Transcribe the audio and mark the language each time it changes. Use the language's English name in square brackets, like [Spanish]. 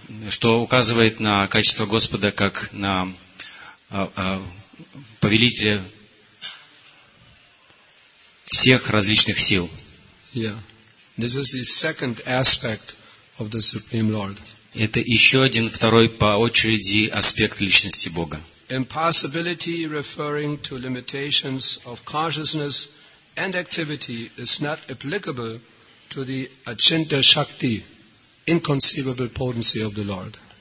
[Russian] Что указывает на качество Господа как на повелителя всех различных сил. [English] Yeah. This is the second aspect of the Supreme Lord. [Russian] Это еще один второй по очереди аспект личности Бога. [English] Impossibility referring to limitations of consciousness and activity is not applicable to the Achintya Shakti, inconceivable potency of the Lord.